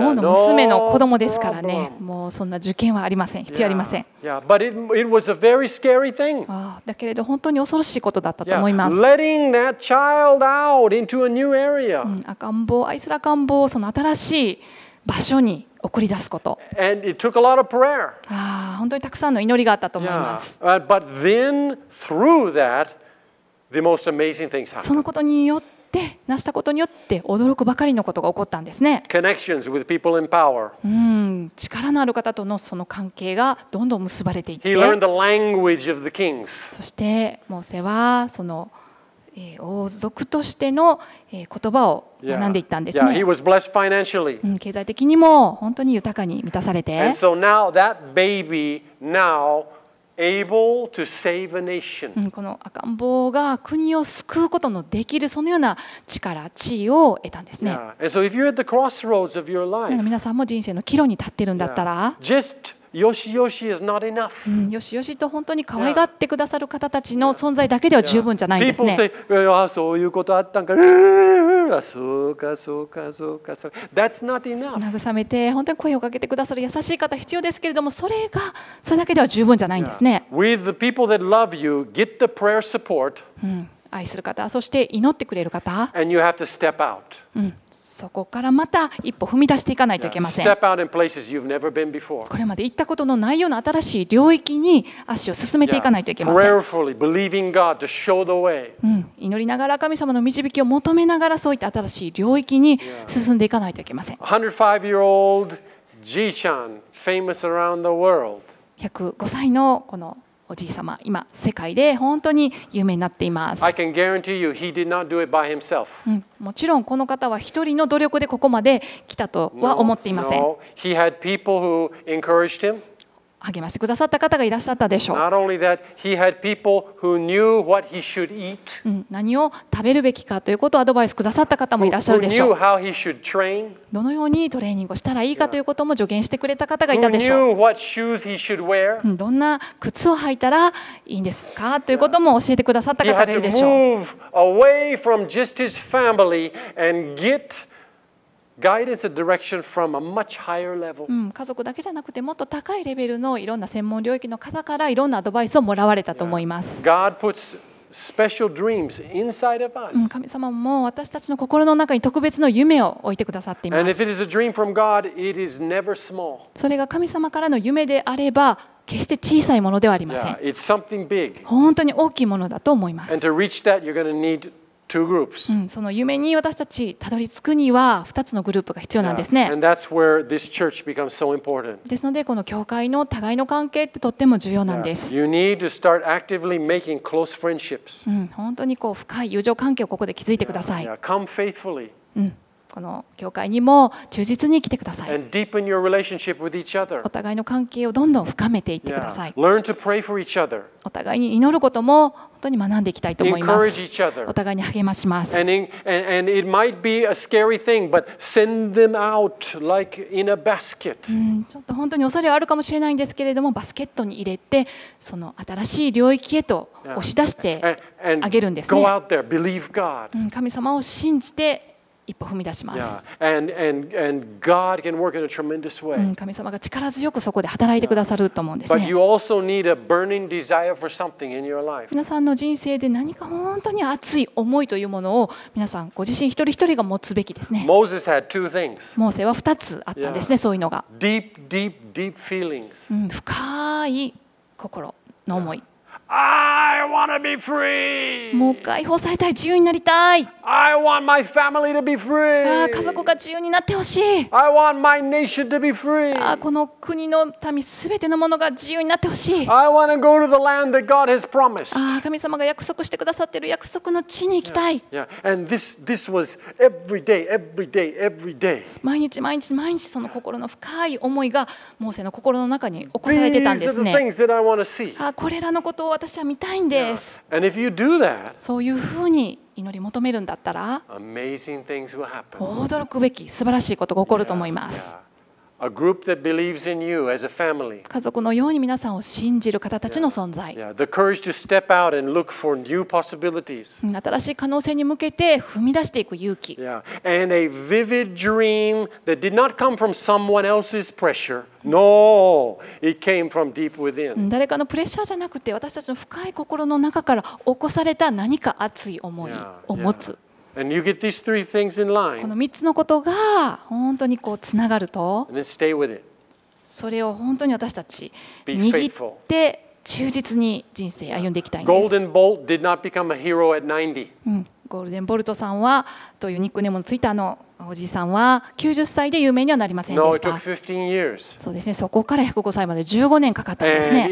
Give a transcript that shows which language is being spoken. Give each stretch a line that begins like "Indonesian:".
Japanese: 王の娘の子供ですからね。もうそんな受験はありません。必要ありません。
English: Yeah, but it was a very scary thing.
Japanese: だけれど本当に恐ろしいことだったと思います。
English: Yeah, letting that child out into a new area.
Japanese: 赤ん坊、愛する赤ん坊をその新しい場所に送り出すこと。
English: And it took a lot of prayer.
Japanese: 本当にたくさんの祈りがあったと思います。
English: Yeah, but then through that, the most amazing things happen.
Japanese: そのことによって、成したことによって驚くばかりのことが起こったんですね。
English: Connections with people in power.
Japanese: 力のある方とのその関係がどんどん結ばれていって。
English: He learned the language of the kings.
Japanese: そしてモーセはその王族としての言葉を学んでいったんですね。
English: Yeah, he was blessed financially.
Japanese: 経済的にも本当に豊かに満たされて。
English: And so now that baby now able to save a nation.
Japanese: この赤ん坊が国を救うことのできるそのような力、地位を得たんですね。
English: Yeah. And so if you're at the crossroads of your life,
Japanese: 皆さんも人生の岐路に立ってるんだったら、
English: yeah. Just
Japanese: よしよし
English: is not enough.
Japanese: よしよしと本当に可愛がってくださる方たちの存在だけでは十分じゃないんですね。
English: People say,
Japanese: そういうことあったんか、そうか。
English: That's not enough.
Japanese: 慰めて本当に声をかけてくださる優しい方必要ですけれども、それだけでは十分じゃないんですね。
English: With the people that love you, get the prayer support.
Japanese: 愛する方、そして祈ってくれる方。
English: And you have to step out.
Japanese: そこからまた一歩踏み出していかないといけません。
English: Step out in places you've never been before.
Japanese: これまで行ったことのないような新しい領域に足を進めていかないといけません。
English: Prayerfully believing God to show the way.
Japanese: 祈りながら神様の導きを求めながらそういった新しい領域に進んでいかないといけません。
English: 105-year-old Ji-chan, famous around the world.
Japanese: 105歳のこのおじい様、今世界で本当に有名になっています。
English: I can guarantee you, he did not do it by himself.
Japanese: もちろんこの方は一人の努力でここまで来たとは思っていません。
English: No, he had people who encouraged him.
Japanese: 励ましてくださった方がいらっしゃったでしょう。
English: Not only that, he had people who knew what he should eat.
Japanese: 何を食べるべきかということをアドバイスくださった方もいらっしゃるでしょう。
English: Who knew how he should train?
Japanese: どのようにトレーニングをしたらいいかということも助言してくれた方がいたでしょう。
English: Who knew what shoes he should wear?
Japanese: どんな靴を履いたらいいんですかということも教えてくださった方がいるでしょう。
English: He had to move away from just his family and get guidance and direction from a much higher level.
Japanese: 家族だけじゃなくてもっと高いレベルのいろんな専門領域の方からいろんなアドバイスをもらわれたと思います。
English: Yeah. God puts special dreams inside of us.
Japanese: 神様も私たちの心の中に特別の夢を置いてくださっています。
English: And if it is a dream from God, it is never small.
Japanese: それが神様からの夢であれば決して小さいものではありません。
English: Yeah. It's something big.
Japanese: 本当に大きいものだと思います。
English: And to reach that, you're going to need two groups.
Japanese: その夢に私たちたどり着くには2つのグループが必要なんですね。
English: And that's where this church becomes so important.
Japanese: ですのでこの教会の互いの関係ってとっても重要なんです。
English: You need to start actively making close friendships.
Japanese: 本当にこう深い友情関係をここで築いてください。
English: Come faithfully.
Japanese: この教会にも忠実に来てください。
English: And deepen your relationship with each other.
Japanese: お互いの関係をどんどん深めていってください。
English: Learn to pray for each other.
Japanese: お互いに祈ることも本当に学んでいきたいと思います。
English: Encourage each other.
Japanese: お互いに励まします。
English: And it might be a scary thing, but send them out like in a basket.
Japanese: ちょっと本当に恐れはあるかもしれないんですけれども、バスケットに入れてその新しい領域へと押し出してあげるんですね。
English: Go out there, believe God.
Japanese: 神様を信じて一歩踏み出します。
English: And God can work in a tremendous way.
Japanese: 神様が力強くそこで働いてくださると思うんですね。
English: But you also need a burning desire for something in your life.
Japanese: 皆さんの人生で何か本当に熱い思いというものを皆さんご自身一人一人が持つべきですね。
English: Moses had two things.
Japanese: モーセは二つあったんですね。そういうのが。
English: Deep, deep, deep feelings.
Japanese: 深い心の思い。
English: I want to be free.
Japanese: もう解放されたい、自由になりたい。
English: I want my family to be free.
Japanese: あ、家族が自由になってほしい。
English: I want my nation to be free.
Japanese: あ、この国の民すべてのものが自由になってほしい。
English: I want to go to the land that God has promised.
Japanese: あ、神様が約束してくださってる約束の地に行きたい。
English: Yeah. And this was every day, every day, every day.
Japanese: 毎日毎日毎日その心の深い思いがモーセの心の中に起こされてたんですね。
English: These are the things that I want to see.
Japanese: あ、これらのことを私は見たいんです。
English: Yeah. And if you do that,
Japanese: そういうふうに祈り求めるんだったら、
English: amazing things will happen.
Japanese: 驚くべき素晴らしいことが起こると思います。
English: A group that believes in you as a family.
Japanese: 家族のように皆さんを信じる方たちの存在。
English: Yeah. The courage to step out and look for new possibilities.
Japanese: 新しい可能性に向けて踏み出していく勇気。
English: Yeah. And a vivid dream that did not come from someone else's pressure. No, it came from deep within.
Japanese: 誰かのプレッシャーじゃなくて私たちの深い心の中から起こされた何か熱い思いを持つ。
English: And you get these three things in line.
Japanese: この3つのことが本当にこうつながると、
English: And then stay with it.
Japanese: それを本当に私たち握って忠実に人生歩んでいきたいんです。
English: Golden Bolt did not become a hero at 90.
Japanese: ゴールデンボルトさんはというニックネームのついたあのおじいさんは90歳で有名にはなりませんでした。
English: No, it took 15 years.
Japanese: そうですね。そこから105歳まで15年かかったんですね。